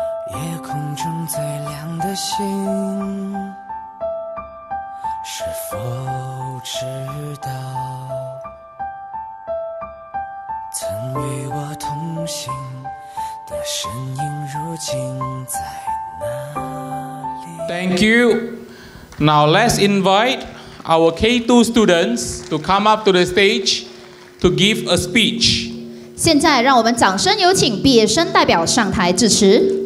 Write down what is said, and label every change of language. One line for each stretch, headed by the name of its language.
Chinese: 夜空中最亮的星，是否知道曾与我同行的身影如今在哪里？
English: Thank you. Now let's invite our K2 students to come up to the stage to give a speech.
Chinese: 现在让我们掌声有请毕业生代表上台致辞。